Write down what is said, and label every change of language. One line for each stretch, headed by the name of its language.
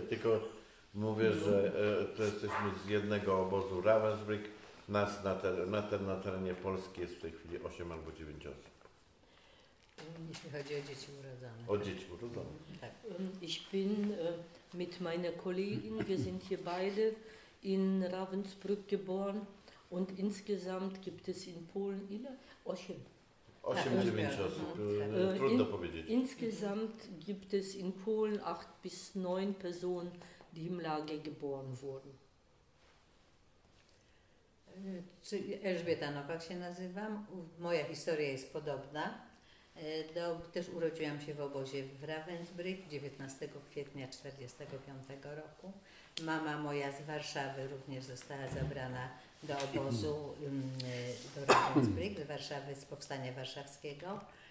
Polish: tylko mówię, że to jesteśmy z jednego obozu Ravensbrück. Nas na terenie Polski jest w tej chwili 8 albo 9 osób. Jeśli chodzi o dzieci urodzone. O dzieci urodzone. Tak.
German: Ich bin mit meiner Kollegin, wir sind hier beide in Ravensbrück geboren und insgesamt gibt es in Polen
Polish: ile? 8. 8-9 osób. Trudno powiedzieć.
German: Insgesamt gibt es in Polen 8 bis 9 Personen, die im Lager geboren wurden.
Polish: Elżbieta Nowak się nazywam. Moja historia jest podobna. Też urodziłam się w obozie w Ravensbrück 19 kwietnia 1945 roku. Mama moja z Warszawy również została zabrana do obozu do Ravensbrück, z Warszawy, z Powstania Warszawskiego.